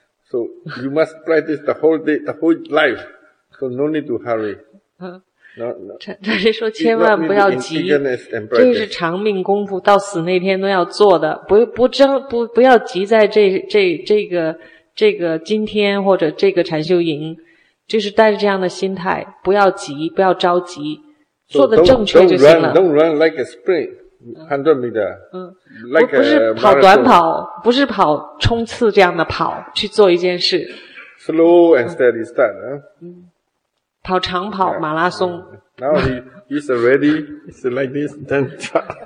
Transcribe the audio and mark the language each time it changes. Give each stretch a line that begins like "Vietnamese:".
English: So, you must practice the whole day, the whole life. So, no need to hurry.
Chinese: 他是说千万不要急。这是长命功夫到死那天都要做的。不要急在这个今天或者这个禅修营。就是带着这样的心态不要急不要着急。做得正确就行了。
English: Don't run like a sprint. 100 meter、like、
Chinese: 不是跑短跑不是跑冲刺这样的跑去做一件事
English: Slow and steady start、
Chinese: 跑长跑马拉松
English: Now he's already he's like this then try